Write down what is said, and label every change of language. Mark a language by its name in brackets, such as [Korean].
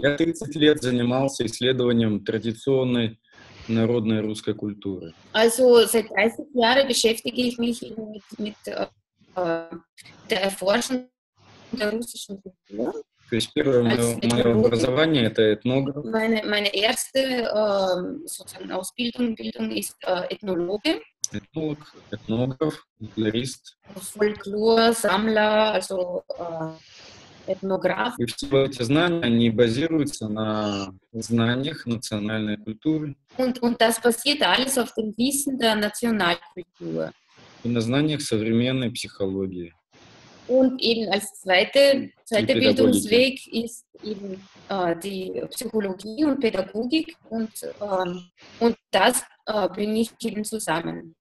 [Russian] Я 30 лет занимался исследованием традиционной народной русской культуры. [German] Also seit 30 Jahren beschäftige ich mich mit der Erforschung der russischen Kultur. [Russian] То есть первое мое образование – это этнограф. [German] Meine erste sozusagen Ausbildung ist Ethnologe. [Russian] Этнолог, этнограф, фольклорист. Фольклор-сammler, also этнограф. И все эти знания, они базируются на знаниях национальной культуры. [German] Und das passiert alles auf dem Wissen der Nationalkultur. [Russian] И на знаниях современной психологии. [German] Und eben als zweiter Bildungsweg ist eben die Psychologie und Pädagogik und das bringe ich eben zusammen.